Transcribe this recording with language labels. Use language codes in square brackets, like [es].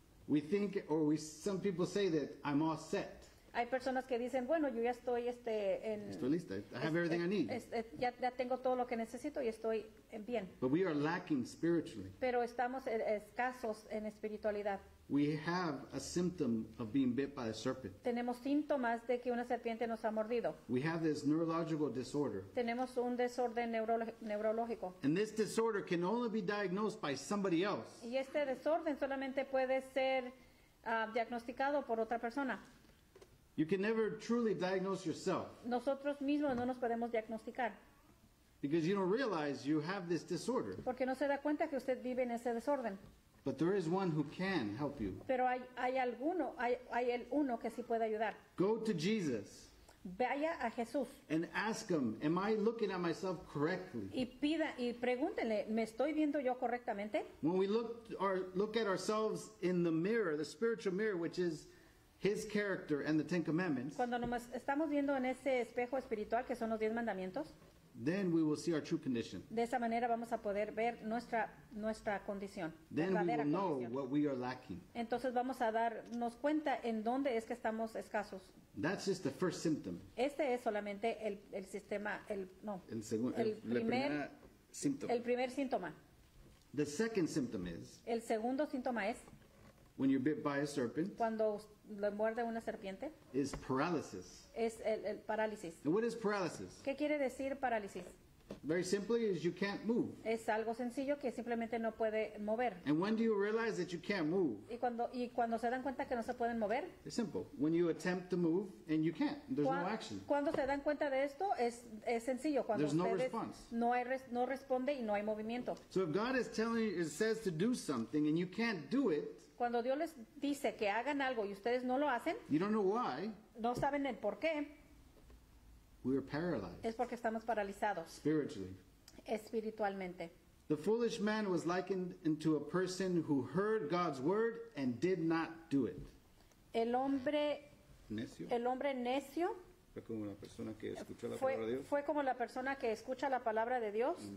[en] We think, or we, some people say that I'm all set. [es] Hay personas que dicen, bueno, yo ya estoy estoy lista. [en] I have everything I need. [es] Ya tengo todo lo que necesito y estoy bien. [en] But we are lacking spiritually. [es] Pero estamos escasos en espiritualidad. [en] We have a symptom of being bit by a serpent. [es] Tenemos síntomas de que una serpiente nos ha mordido. [en] We have this neurological disorder. [es] Tenemos un desorden neurológico. [en] And this disorder can only be diagnosed by somebody else. [es] Y este desorden solamente puede ser diagnosticado por otra persona. [en] You can never truly diagnose yourself. [es] Nosotros mismos no nos podemos diagnosticar. [en] Because you don't realize you have this disorder. [es] Porque no se da cuenta que usted vive en ese desorden. [en] But there is one who can help you. [es] Pero hay el uno que sí puede ayudar. [en] Go to Jesus. [es] Vaya a Jesús. [en] And ask him, am I looking at myself correctly? [es] Y pregúntele, ¿me estoy viendo yo correctamente? [en] When we look at ourselves in the mirror, the spiritual mirror, which is His character and the Ten Commandments. [es] Cuando nos estamos viendo en ese espejo espiritual que son los 10 mandamientos. [en] Then we will see our true condition. [es] De esa manera vamos a poder ver nuestra condición. [en] Then we will know [es] condición. [en] What we are lacking. [es] Entonces vamos a darnos cuenta en dónde es que estamos escasos. [en] That's just the first symptom. [es] Este es solamente el sistema el no. El segundo el primer síntoma. El primer síntoma. [en] The second symptom is. [es] El segundo síntoma es. [en] When you're bit by a serpent. [es] Cuando le muerde una serpiente. [en] Is paralysis. [es] Es el parálisis. [en] And what is paralysis? [es] ¿Qué quiere decir parálisis? [en] Very simply is you can't move. [es] Es algo sencillo que simplemente no puede mover. [en] And when do you realize that you can't move? [es] Y cuando se dan cuenta que no se pueden mover. [en] It's simple. When you attempt to move and you can't. There's no action. [es] Cuando se dan cuenta de esto es sencillo. Cuando [en] there's no response. [es] No responde y no hay movimiento. [en] So if God is telling you, it says to do something and you can't do it. [es] Cuando Dios les dice que hagan algo y ustedes no lo hacen, [en] you don't know why, [es] no saben el por qué, [en] we are paralyzed. [es] Es porque estamos paralizados [en] spiritually. [es] Espiritualmente. [en] The foolish man was likened into a person who heard God's word and did not do it. [es] El hombre necio fue como la persona que escuchó la palabra de Dios. Fue como la persona que escucha la palabra de Dios.